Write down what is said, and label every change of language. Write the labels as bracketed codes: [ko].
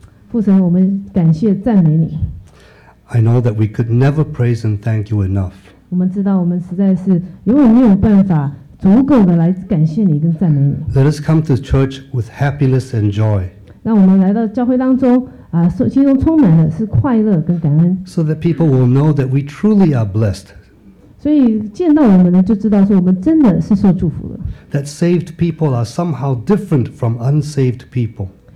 [zh] 父神，我们感谢赞美你。 [en] I know that we could never praise and thank you enough. [zh] 我们知道我们实在是永远没有办法足够的来感谢你跟赞美你。 [en] Let us come to church with happiness and joy. [zh] 让我们来到教会当中。 [en] So that people will know that we truly are blessed. [zh] 所以见到我们呢，就知道说我们真的是受祝福了。 [en] That saved people are somehow different from unsaved people.